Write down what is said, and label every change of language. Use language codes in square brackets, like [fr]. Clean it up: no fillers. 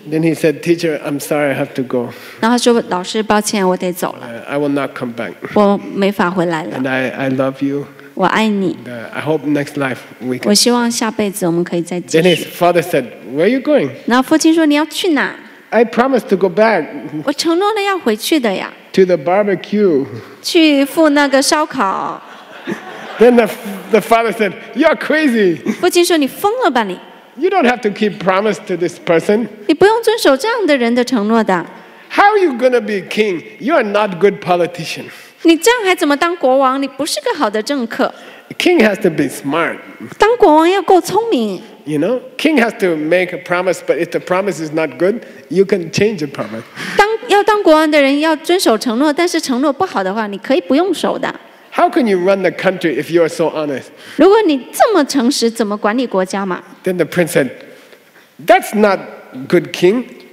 [en] Then he said, "Teacher, I'm sorry, I have to go." [zh] 然后他说：“老师，抱歉，我得走了。” [en] I will not come back. [zh] 我没法回来了。 [en] And I love you. [zh] 我爱你。 [en] I hope next life we can. [zh] 我希望下辈子我们可以再继续。 [en] Then his father said, "Where are you going?" [zh] 然后父亲说：“你要去哪？” [en] I promised to go back. [zh] 我承诺了要回去的呀。 [en] To the barbecue. [zh] 去赴那个烧烤。 [en] Then the father said, "You're crazy." [zh] 父亲说你疯了吧你。 [en] You don't have to keep promise to this person. [zh] 你不用遵守这样的人的承诺的。 [en] How are you gonna be king? You are not good politician. [zh] 你这样还怎么当国王？你不是个好的政客。 [en] King has to be smart. [zh] 当国王要够聪明。 [en] You know, king has to make a promise, but if the promise is not good, you can change the promise. [zh] 要当国王的人要遵守承诺，但是承诺不好的话，你可以不用守的。 [en] How can you run the country if you are so honest? [zh] 如果你这么诚实，怎么管理国家嘛？ [en] Then the prince said, "That's not good king.